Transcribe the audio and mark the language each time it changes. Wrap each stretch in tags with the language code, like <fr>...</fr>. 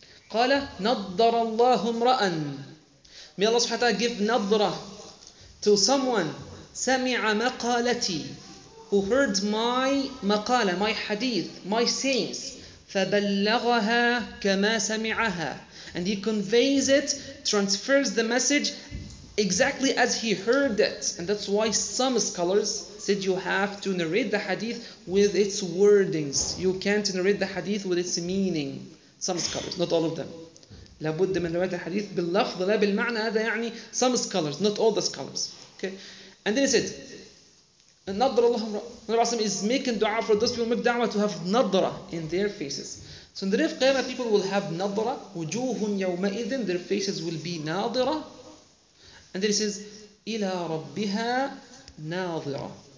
<en>Qala</en> <ar>نَضَّرَ اللَّهُ امْرَأً.</ar> <en>May Allah subhanahu wa ta'ala give nadra to someone</en> <ar>سَمِعَ مَقَالَتِي,</ar> <en>who heard my maqala, my hadith, my sayings,</en> <ar>فَبَلَّغَهَا كَمَا سَمِعَهَا,</ar> <en>and he conveys it, transfers the message exactly as he heard it. And that's why some scholars said you have to narrate the hadith with its wordings. You can't narrate the hadith with its meaning. Some scholars, not all of them.</en> <ar>لابد من روايه الحديث باللفظ لا بالمعنى. هذا يعني</ar> <en>some scholars, not all the scholars. Okay. And then he said,</en> <ar>نَضْرَ اللَّهُمْ رَأَىٰ</ar> <en>is making dua for those people, make dua to have nadra in their faces. So in the day of Qiyamah, people will have nadra.</en> <ar>وَجُوهٌ يَوْمَئِذٍ,</ar> <en>their faces will be nadra. And then he says,</en> <ar>إِلَىٰ رَبِّهَا نَاظِرَ.</ar>